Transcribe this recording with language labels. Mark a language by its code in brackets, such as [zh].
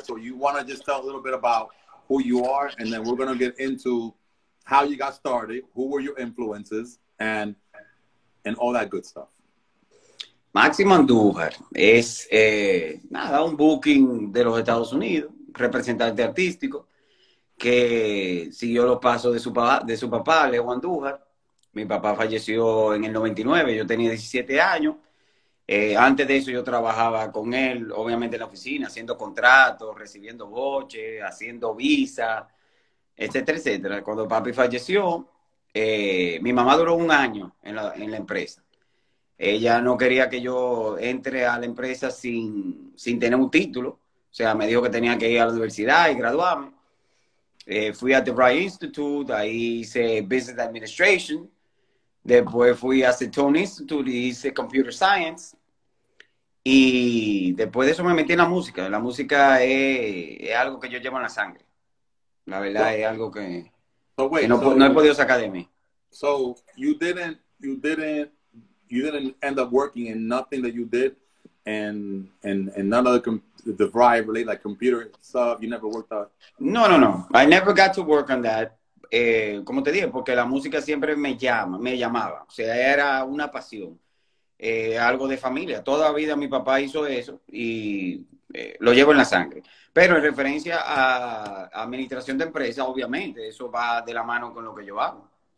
[en] So you want to just tell a little bit about who you are, and then we're going to get into how you got started, who were your influences, and all that good stuff. [es] Máximo Andújar es un booking de los Estados Unidos, representante artístico, que siguió los pasos de su papá, Leo Andújar. Mi papá falleció en el 99, yo tenía 17 años. Antes de eso yo trabajaba con él, obviamente en la oficina, haciendo contratos, recibiendo boches, haciendo visa, etcétera, etcétera. Cuando papi falleció, mi mamá duró un año en la empresa. Ella no quería que yo entre a la empresa sin tener un título. O sea, me dijo que tenía que ir a la universidad y graduarme. Fui a The Wright Institute, ahí hice Business Administration. Después fui a Acetone Institute y hice Computer Science. Y después de eso me metí en la música. La música es algo que yo llevo en la sangre. La verdad, well, es algo que, [en] so wait, [es] que no, so, no he podido sacar de mí. [en] So, you didn't end up working in nothing that you did? And none of the variety related, like computer stuff, you never worked out? No, no, no. I never got to work on that. [es] Como te dije, porque la música siempre me llamaba, o sea, era una pasión. algo de familia. Toda vida mi papá hizo eso y lo llevo en la sangre. Pero en referencia a administración de empresas, obviamente, eso va de la mano con lo que yo hago.